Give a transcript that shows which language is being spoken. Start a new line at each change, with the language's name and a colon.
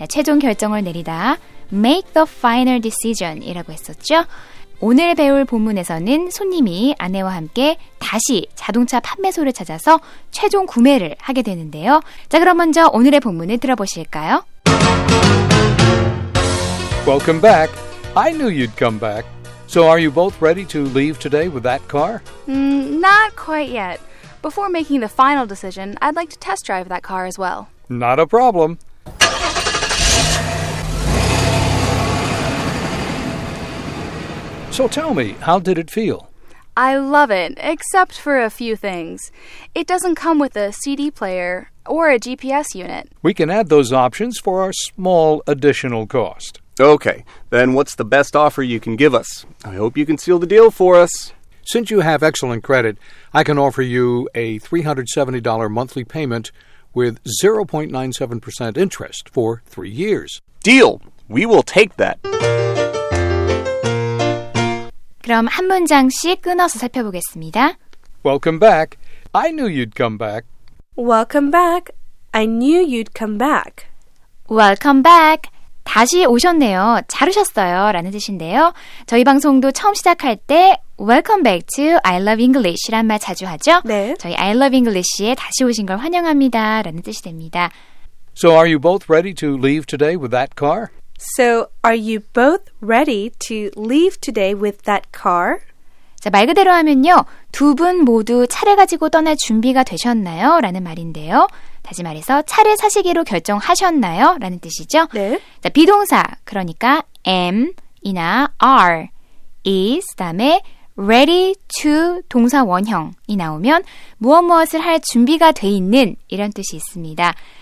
Korean: 최종 결정을 내리다
English: make the final decision
Korean: 이라고 했었죠. 오늘 배울 본문에서는 손님이 아내와 함께 다시 자동차 판매소를 찾아서 최종 구매를 하게 되는데요. 자, 그럼 먼저 오늘의 본문을 들어보실까요?
English: Welcome back. I knew you'd come back. So are you both ready to leave today with that car? Not quite yet. Before making the final decision, I'd like to test drive that car as well. Not a problem. So tell me, how did it feel? I love it, except for a few things. It doesn't come with a CD player or a GPS unit. We can add those options for our small additional cost. Okay, then what's the best offer you can give us? I hope you can seal the deal for us. Since you have excellent credit, I can offer you a $370 monthly payment with 0.97% interest for 3 years. Deal! We will take that.
Korean: 그럼 한 문장씩 끊어서 살펴보겠습니다.
English: Welcome back. I knew you'd come back. Welcome back. I knew you'd come back. Welcome back.
Korean: 다시 오셨네요. 잘 오셨어요. 라는 뜻인데요. 저희 방송도 처음 시작할 때
English: Welcome back to I Love English
Korean: 라는 말 자주 하죠? 네. 저희 I Love English에 다시 오신 걸 환영합니다. 라는 뜻이 됩니다.
English: So are you both ready to leave today with that car? So are you both ready to leave today with that car?
Korean: 자, 말 그대로 하면요. 두 분 모두 차를 가지고 떠날 준비가 되셨나요? 라는 말인데요. 다시 말해서 차를 사시기로 결정하셨나요? 라는 뜻이죠. 네. 자, 비동사 그러니까 am이나 are, is 다음에 ready to 동사 원형이 나오면 무엇무엇을 할 준비가 돼 있는 이런 뜻이 있습니다.